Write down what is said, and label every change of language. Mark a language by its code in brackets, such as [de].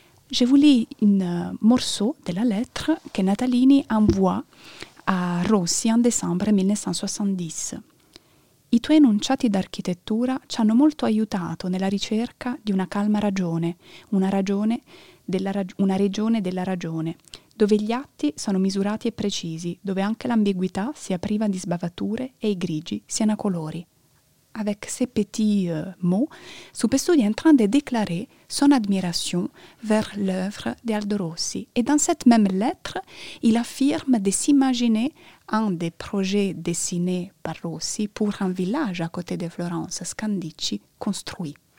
[fr] Je vous lis un morceau de la lettre que Natalini envoie à Rossi en décembre 1970. [it] I tuoi enunciati d'architettura ci hanno molto aiutato nella ricerca di una calma ragione, una regione della ragione, dove gli atti sono misurati e precisi, dove anche l'ambiguità sia priva di sbavature e i grigi siano colori. [fr] Avec ces petits mots, Superstudio est en train de déclarer son admiration vers l'œuvre d'Aldo Rossi. Et dans cette même lettre, il affirme de s'imaginer un des projets dessinés par Rossi pour un village à côté de Florence, Scandicci, construit.